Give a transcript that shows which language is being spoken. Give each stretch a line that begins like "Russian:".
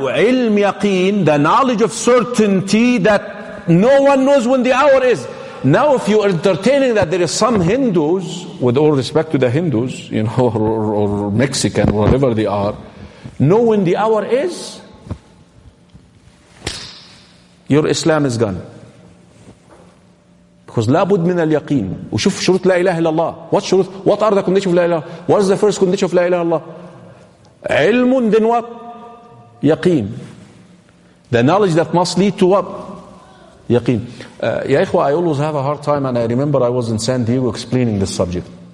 English: Ilm yaqeen, the knowledge of certainty that no one knows when the hour is. Now if you are entertaining that there is some Hindus, with all respect to the Hindus, you know, or Mexican, whatever they are, know when the hour is, your Islam is gone.
Arabic: Because لابد من اليقين. وشوف شروط لا إله إلا الله.
English: What شروط? What are the conditions of
Arabic: لا إله إلا الله?
English: What is the first condition of لا إله إلا الله? علم then what?
Arabic: يقين.
English: The knowledge that must lead to what?
Arabic: يقين. يا إخوة,
English: I always have a hard time, and I remember I was in San Diego explaining this subject.